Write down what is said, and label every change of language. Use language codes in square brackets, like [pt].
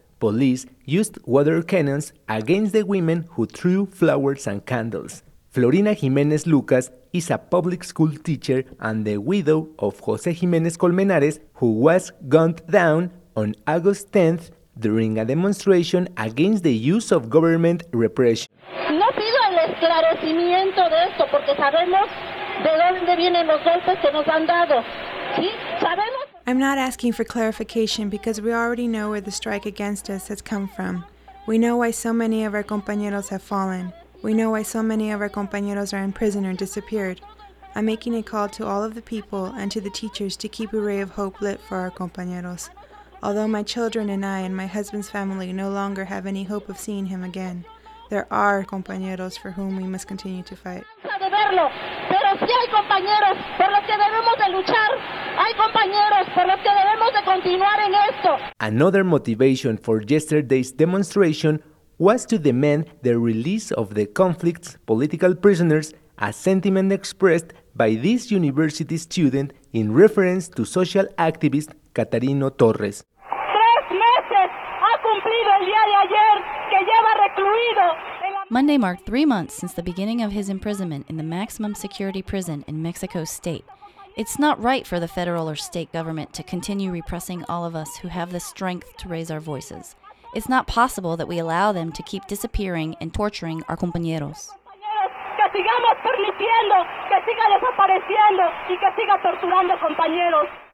[en] Police used water cannons against the women who threw flowers and candles. Florina Jimenez Lucas is a public school teacher and the widow of Jose Jimenez Colmenares, who was gunned down on August 10th during a demonstration against the use of government repression. [es] No pido el esclarecimiento de esto porque sabemos de dónde vienen los golpes que nos han dado. ¿Sí? Sabemos. [en] I'm not asking for clarification because we already know where the strike against us has come from. We know why so many of our compañeros have fallen. We know why so many of our compañeros are in prison or disappeared. I'm making a call to all of the people and to the teachers to keep a ray of hope lit for our compañeros. Although my children and I and my husband's family no longer have any hope of seeing him again, there are compañeros for whom we must continue to fight. [es] Pero sí hay compañeros por los que debemos de luchar. Hay compañeros por los que debemos de continuar en esto. [en] Another motivation for yesterday's demonstration was to demand the release of the conflict's political prisoners, a sentiment expressed by this university student in reference to social activist Catarino Torres. [es] Tres meses ha cumplido el día de ayer que lleva recluido. [en] Monday marked 3 months since the beginning of his imprisonment in the maximum security prison in Mexico State. It's not right for the federal or state government to continue repressing all of us who have the strength to raise our voices. It's not possible that we allow them to keep disappearing and torturing our compañeros. [es] Que sigamos permitiendo, que siga desapareciendo y que siga torturando compañeros.